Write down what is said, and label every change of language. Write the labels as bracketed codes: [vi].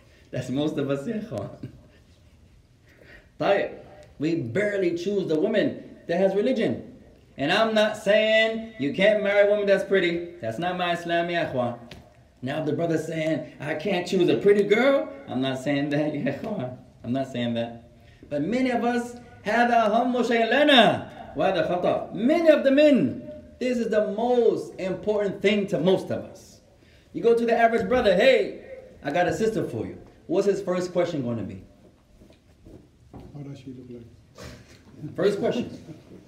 [en] That's most of us, ya Ikhwan. طيب, we barely choose the woman that has religion. And I'm not saying you can't marry a woman that's pretty. That's not my Islam, ya Ikhwan. Now the brother's saying, I can't choose a pretty girl. I'm not saying that, ya Ikhwan. I'm not saying that. But many of us, [ar] هذا أهم شيء لنا وهذا خطأ. [en] Many of the men, this is the most important thing to most of us. You go to the average brother, hey, I got a sister for you. What's his first question going to be? How does she look like? First question.